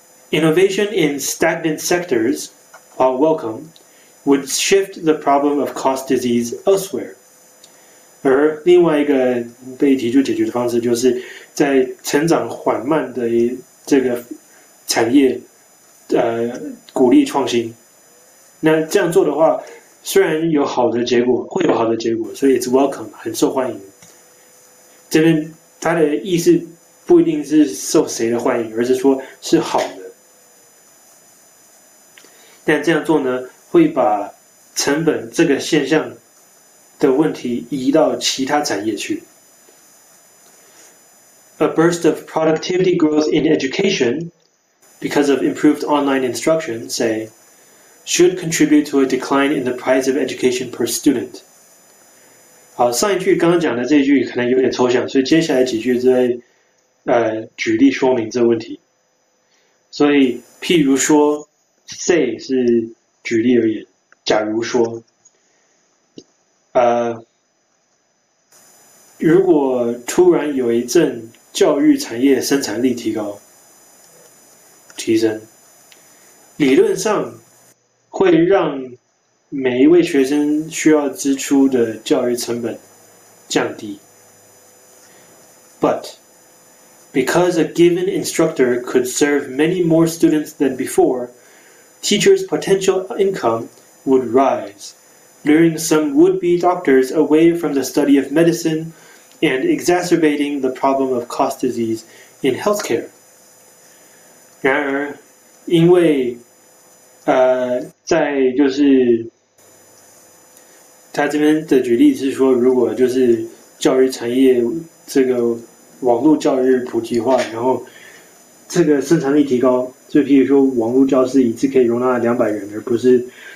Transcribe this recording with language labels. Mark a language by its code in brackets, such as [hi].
[en] Innovation in stagnant sectors, while welcome, would shift the problem of cost disease elsewhere. [zh] 而另外一个被提出解决的方式，就是在成长缓慢的这个产业，鼓励创新。那这样做的话，虽然有好的结果，会有好的结果，所以 [en] it's welcome， [zh] 很受欢迎。这边它的意思不一定是受谁的欢迎，而是说是好的。但这样做呢，会把成本这个现象的问题移到其他产业去。 [en] A burst of productivity growth in education, because of improved online instruction, say, should contribute to a decline in the price of education per student. [zh] 好，上一句刚刚讲的这一句可能有点抽象，所以接下来几句在举例说明这个问题。所以，譬如说，say 是举例而言，假如说。如果突然有一阵教育产业生产力提升，理论上会让每一位学生需要支出的教育成本降低。 [en] But because a given instructor could serve many more students than before, teachers' potential income would rise. Luring some would-be doctors away from the study of medicine and exacerbating the problem of cost disease in healthcare. [zh] 然而，因为在就是他这边的举例是说，如果就是教育产业这个网络教育普及化，然后这个生产力提高，就譬如说网络教室一次可以容纳200人，而不是。